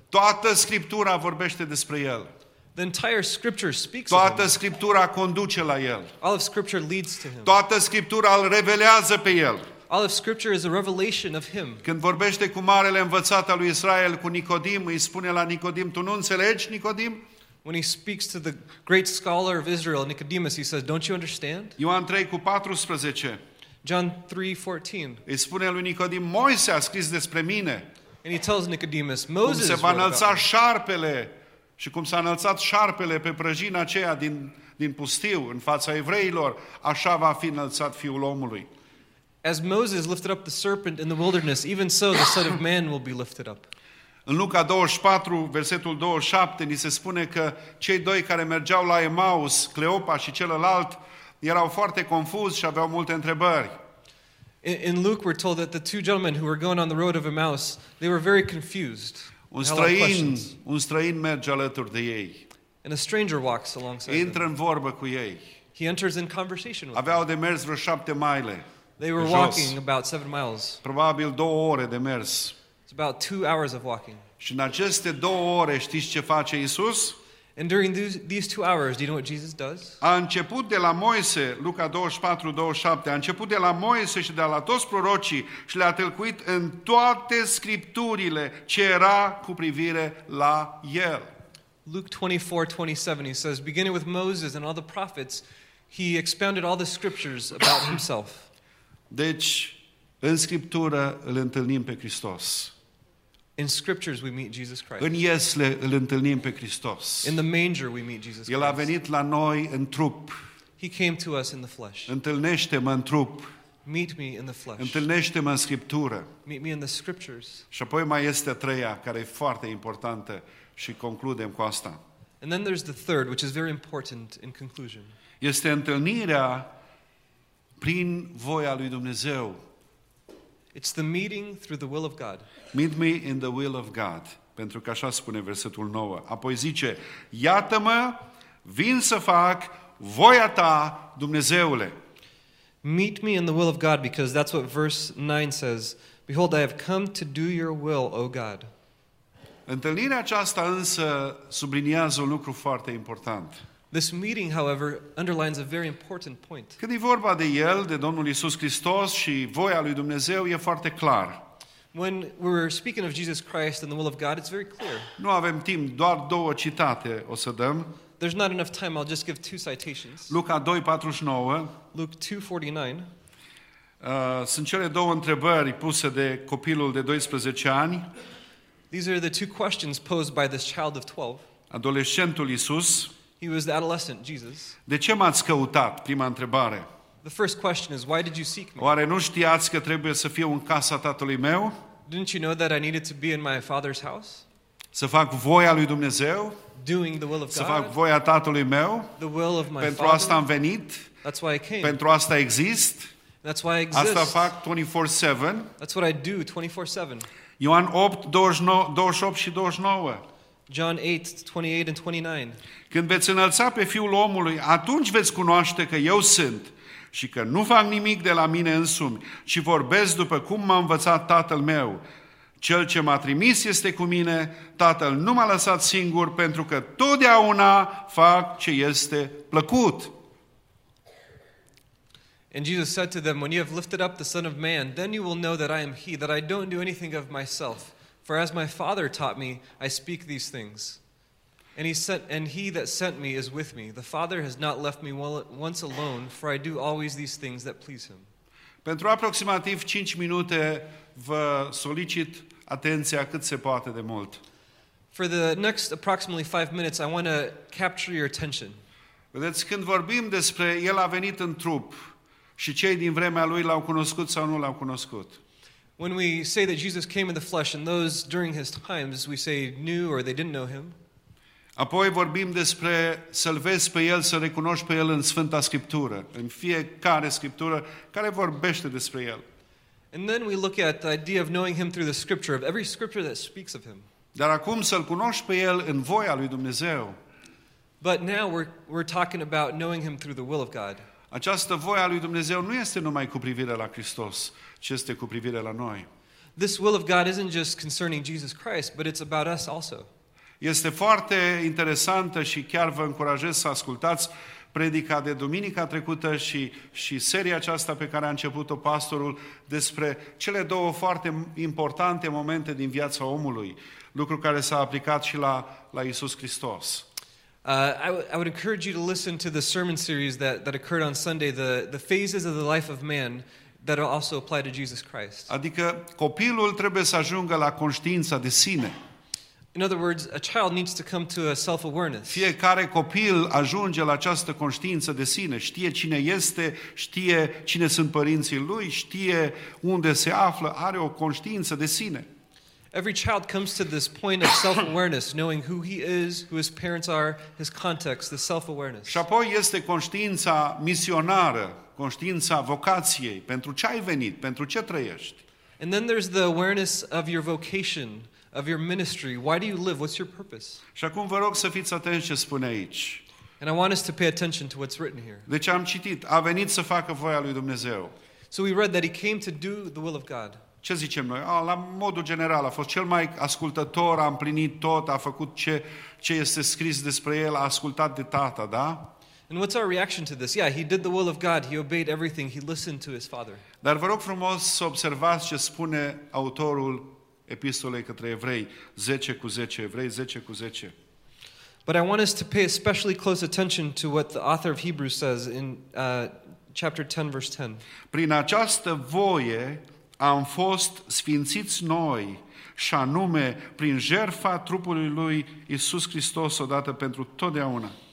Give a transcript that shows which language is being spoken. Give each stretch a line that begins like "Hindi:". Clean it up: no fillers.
Romanian: Toată scriptura vorbește despre el.
English: The entire scripture speaks of him.
Romanian: Toată scriptura conduce la el.
English: All of scripture leads to him.
Romanian: Toată scriptura îl revelează pe el.
English: All of scripture is a revelation of him.
Romanian: Când vorbește cu marele învățat al lui Israel, cu Nicodim, îi spune la Nicodim, tu nu înțelegi, Nicodim?
English: When he speaks to the great scholar of Israel, Nicodemus, he says, don't you understand?
Romanian: Ioan 3:14.
English: John 3:14.
Romanian: Îi spune lui Nicodim, Moise a scris despre mine.
English: And he tells Nicodemus, Moses wrote about me.
Romanian: Cum se va înălța șarpele. Și cum s-a înălțat șarpele pe prăjina aceea din pustiu în fața evreilor, așa va fi înălțat fiul omului.
English: As Moses lifted up the serpent in the wilderness, even so the son of man will be lifted up.
Romanian: În Luca 24, versetul 27, ni se spune că cei doi care mergeau la Emaus, Cleopa și celălalt, erau foarte confuzi și aveau multe întrebări.
English: In Luke we're told that the two gentlemen who were going on the road of Emmaus, they were very confused.
Romanian: Un străin merge alături de ei.
English: And a stranger walks alongside them.
Romanian: Intră în vorbă cu ei.
English: He enters in conversation with them.
Romanian: Aveau de mers vreo 7 mile.
English: They were walking about 7 miles.
Romanian: Probabil 2 ore de mers.
English: It's about 2 hours of walking.
Romanian: Și în aceste 2 ore, știți ce face Iisus?
English: And during these 2 hours, do you know what Jesus does?
Romanian: A început de la Moise, Luca 24:27, a început de la Moise și de la toți prorocii și le-a tălcuit în toate scripturile ce era cu privire la el.
English: Luke 24:27, he says, beginning with Moses and all the prophets, he expounded all the scriptures about himself.
Romanian: Deci, în scriptură îl întâlnim pe Hristos.
English: In scriptures we meet Jesus Christ.
Romanian: În iesle îl întâlnim pe Hristos.
English: In the manger we meet Jesus Christ.
Romanian: El a venit la noi în trup.
English: He came to us in the flesh.
Romanian: Întâlnește-mă în trup.
English: Meet me in the flesh.
Romanian: Întâlnește-mă în scriptură.
English: Meet me in the scriptures.
Romanian: Și apoi mai este a treia care e foarte importantă și concludem cu asta.
English: And then there's the third, which is very important in conclusion.
Romanian: Este întâlnirea prin voia lui Dumnezeu.
English: It's the meeting through the will of God. Meet me in the will of God.
Romanian: Pentru că așa spune versetul 9. Apoi zice, iată-mă, vin să fac voia ta, Dumnezeule.
English: Meet me in the will of God, because that's what verse 9 says. Behold, I have come to do your will, O God.
Romanian: Întâlnirea aceasta însă subliniază un lucru foarte important.
English: This meeting, however, underlines a very important point.
Romanian: Când e vorba de El, de Domnul Iisus Hristos și voia lui Dumnezeu, e foarte clar.
English: When we're speaking of Jesus Christ and the will of God, it's very clear.
Romanian: Nu avem timp, doar 2 citate o să dăm.
English: There's not enough time, I'll just give 2 citations.
Romanian: Luca 2:49.
English: Luke 2:49.
Romanian: Sunt cele 2 întrebări puse de copilul de 12 ani.
English: These are the 2 questions posed by this child of 12.
Romanian: Adolescentul Iisus.
English: He was the adolescent Jesus.
Romanian: De ce m-ați căutat? Prima întrebare.
English: The first question is, why did you seek me?
Romanian: Oare nu știați că trebuie să fiu în casa tatălui meu?
English: Didn't you know that I needed to be in my father's house?
Romanian: Să fac voia lui Dumnezeu?
English: Doing the will of God.
Romanian: Să fac voia tatălui meu?
English: The will of my father.
Romanian: Pentru asta am venit.
English: That's why I came.
Romanian: Pentru asta exist.
English: That's why I exist.
Romanian: Asta fac 24/7.
English: That's what I do 24/7.
Romanian: Ioan 8:28-29.
English: John 8:28-29.
Romanian: Când veți înălța pe Fiul omului, atunci veți cunoaște că Eu sunt și că nu fac nimic de la Mine însumi, ci vorbesc după cum M-a învățat Tatăl meu. Cel ce M-a trimis este cu Mine, Tatăl nu M-a lăsat singur, pentru că totdeauna fac ce este plăcut.
English: And Jesus said to them, when you have lifted up the Son of Man, then you will know that I am he, that I don't do anything of myself. For as my Father taught me, I speak these things. And he that sent me is with me. The Father has not left me once alone, for I do always these things that please him.
Romanian: Pentru aproximativ 5 minute vă solicit atenția cât se poate de mult.
English: For the next approximately 5 minutes, I want to capture your attention.
Romanian: Vedeți, când vorbim despre El a venit în trup și cei din vremea Lui L-au cunoscut sau nu L-au cunoscut.
English: When we say that Jesus came in the flesh and those during His times, we say knew or they didn't know Him.
Romanian: Apoi vorbim despre să-L vezi pe El, să-L recunoști pe El în Sfânta Scriptură, în fiecare Scriptură care vorbește despre El.
English: And then we look at the idea of knowing Him through the Scripture, of every Scripture that speaks of Him.
Romanian: Dar acum să-L cunoști pe El în voia Lui Dumnezeu.
English: But now we're talking about knowing Him through the will of God.
Romanian: Această voia Lui Dumnezeu nu este numai cu privire la Hristos, ci este cu privire la noi.
English: This will of God isn't just concerning Jesus Christ, but it's about us also.
Romanian: Este foarte interesantă și chiar vă încurajez să ascultați predica de duminica trecută și seria aceasta pe care a început-o pastorul despre cele două foarte importante momente din viața omului, lucru care s-a aplicat și la Iisus Hristos.
English: I would encourage you to listen to the sermon series that occurred on Sunday, the phases of the life of man that also apply to Jesus Christ.
Romanian: Adică copilul trebuie să ajungă la conștiința de sine.
English: In other words, a child needs to come to a self-awareness.
Romanian: Fiecare copil ajunge la această conștiință de sine, știe cine este, știe cine sunt părinții lui, știe unde se află, are o conștiință de sine.
English: Every child comes to this point of self-awareness, knowing who he is, who his parents are, his context, the self-awareness.
Romanian: Și apoi este conștiința misionară, conștiința vocației, pentru ce ai venit, pentru ce trăiești.
English: And then there's the awareness of your vocation, of your ministry. Why do you live? What's your purpose?
Romanian: Și acum vă rog să fiți atenți ce spune aici.
English: And I want us to pay attention to what's written here.
Romanian: Deci am citit, a venit să facă voia lui Dumnezeu.
English: So we read that he came to do the will of God.
Romanian: Ce zicem noi? La modul general, a fost cel mai ascultător, a împlinit tot, a făcut ce este scris despre el, a ascultat de tata, da?
English: And what's our reaction to this? Yeah, he did the will of God, he obeyed everything, he listened to his father.
Romanian: Dar vă rog frumos să observați ce spune autorul epistolei către evrei, 10 cu 10, evrei 10 cu 10.
English: But I want us to pay especially close attention to what the author of Hebrews says in chapter 10, verse 10.
Romanian: Prin această voie am fost sfințiți noi, și anume prin jertfa trupului lui Iisus Hristos odată pentru totdeauna.